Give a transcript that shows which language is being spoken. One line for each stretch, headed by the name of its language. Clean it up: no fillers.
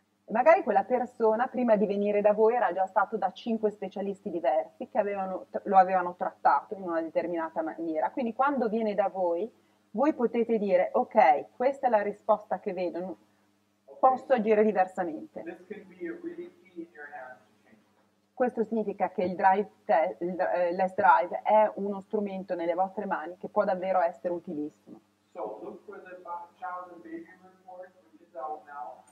Italian: Magari quella persona prima di venire da voi era già stato da cinque specialisti diversi che lo avevano trattato in una determinata maniera. Quindi quando viene da voi potete dire, ok, questa è la risposta che vedono, posso agire diversamente.
English: this can be a really key in your hands to change.
Italian: Questo significa che l'S Drive è uno strumento nelle vostre mani che può davvero essere utilissimo.
English: So look for the child and baby report, which is out now.